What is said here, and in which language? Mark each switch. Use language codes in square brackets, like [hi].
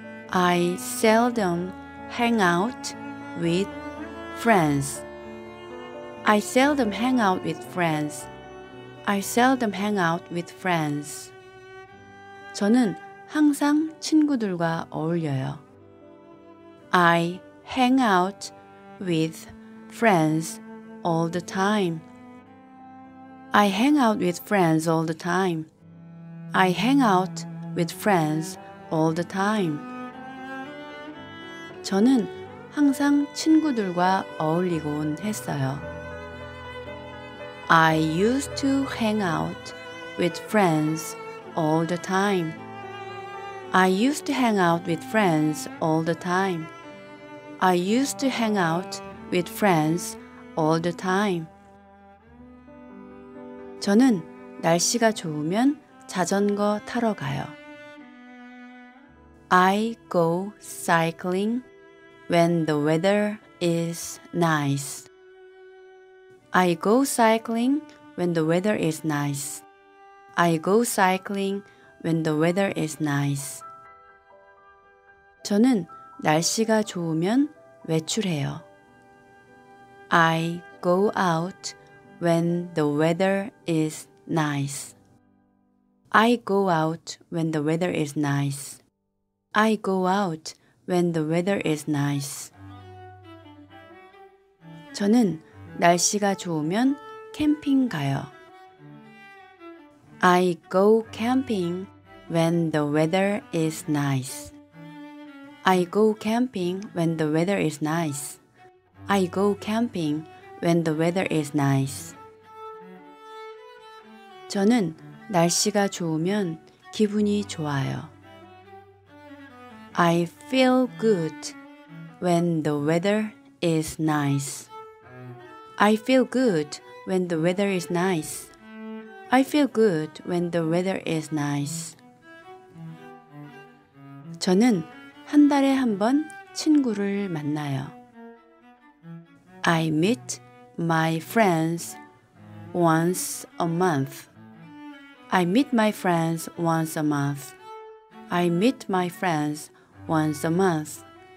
[en] I seldom hang out with friends. I seldom hang out with friends. I seldom hang out with friends. [ko] 저는 항상 친구들과 어울려요. [en] I hang out with friends all the time. I hang out with friends all the time. I hang out with friends all the time. [ko] 저는 항상 친구들과 어울리곤 했어요. [en] I used to hang out with friends all the time. I used to hang out with friends all the time. I used to hang out with friends all the time. [ko] 저는 날씨가 좋으면 자전거 타러 가요. [en] I go cycling when the weather is nice. I go cycling when the weather is nice. I go cycling when the weather is nice. [ko] 저는 날씨가 좋으면 외출해요. [en] I go out when the weather is nice. I go out when the weather is nice. I go out when the weather is nice. [ko] 저는 날씨가 좋으면 캠핑 가요. [en] I go camping when the weather is nice. I go camping when the weather is nice. I go camping when the weather is nice. [ko] 저는 날씨가 좋으면 기분이 좋아요. [en] I feel good when the weather is nice. I feel good when the weather is nice. I feel good when the weather is nice. [ko] 저는 한 달에 한 번 친구를 만나요. [en] I meet my friends once a month. I meet my friends once a month. I meet my friends once a month.